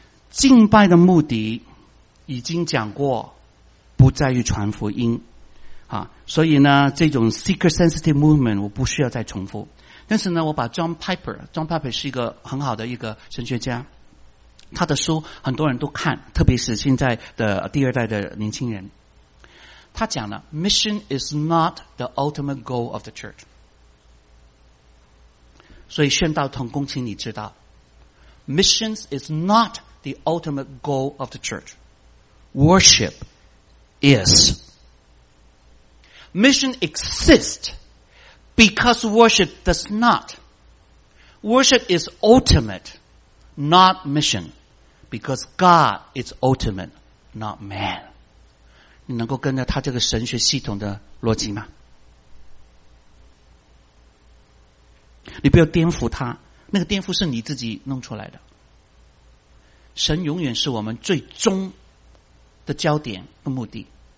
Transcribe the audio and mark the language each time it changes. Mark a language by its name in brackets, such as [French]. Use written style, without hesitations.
[Chinese] 敬拜的目的已经讲过，不在于传福音啊。所以呢，这种 seeker sensitive movement 我不需要再重复。但是呢，我把 John Piper 是一个很好的一个神学家，他的书很多人都看，特别是现在的第二代的年轻人。他讲了 [English] Mission is not the ultimate goal of the church. [Chinese] 所以宣道同工请你知道 [English] Missions is not the ultimate goal of the church. Worship is. Mission exists because worship does not. Worship is ultimate, not mission, because God is ultimate, not man. [Chinese] 你能够跟着他这个神学系统的逻辑吗？你不要颠覆他，那个颠覆是你自己弄出来的。神永远是我们最终的焦点和目的。